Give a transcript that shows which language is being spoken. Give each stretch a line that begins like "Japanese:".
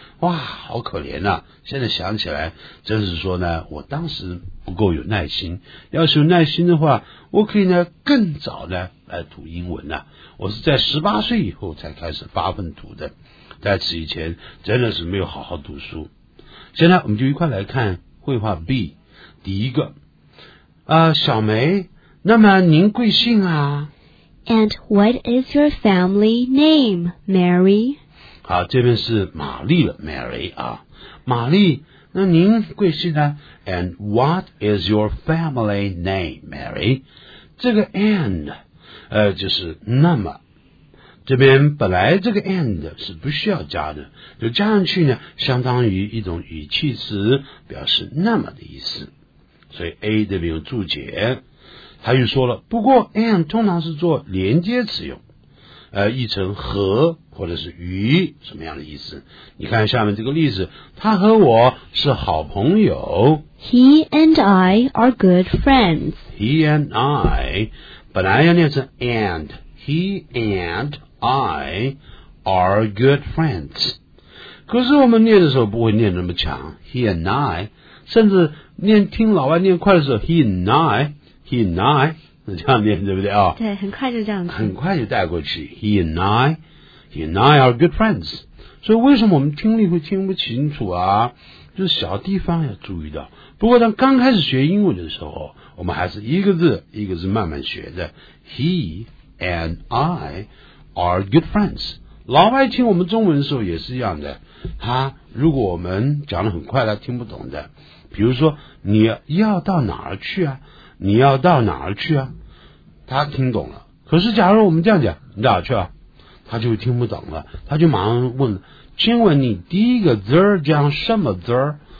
Chinese: 哇，好可怜啊，现在想起来真是说呢，我当时不够有耐心，要是有耐心的话，我可以呢更早呢来读英文呢、啊、我是在18岁以后才开始发奋读的，在此以前真的是没有好好读书。现在我们就一块来看绘画 B 第一个小梅，那么您贵姓啊？
English: And what is your family name, Mary?
Chinese: 好，这边是玛丽了， Mary 啊，玛丽，那您贵姓呢？
English: And what is your family name, Mary?
Chinese: 这个 and 就是那么，这边本来这个 and 是不需要加的，就加上去呢相当于一种语气词，表示那么的意思，所以 A 这边有注解，他又说了，不过 and 通常是做连接词用，译成和或者是与什么样的意思。你看下面这个例子，他和我是好朋友。
English: He and I are good friends.
Chinese: He and I 本来要念成 and，
English: He and I are good friends，
Chinese: 可是我们念的时候不会念那么强， He and I， 甚至念听老外念快的时候， He and I，He and I， 这样念对不对啊？对，很快就这样子，很快就带过去。
English: He and I， He and I are good friends。
Chinese: 所以为什么我们听力会听不清楚啊？就是小地方要注意到。不过当刚开始学英文的时候，我们还是一个字一个字慢慢学的。
English: He and I are good friends。
Chinese: 老外听我们中文的时候也是一样的。他如果我们讲得很快，他听不懂的。比如说你要到哪儿去啊？你要到哪儿去啊？他听懂了。可是假如我们这样讲，你哪儿去啊？他就听不懂了，他就马上问，请问你第一个字儿讲什么字儿？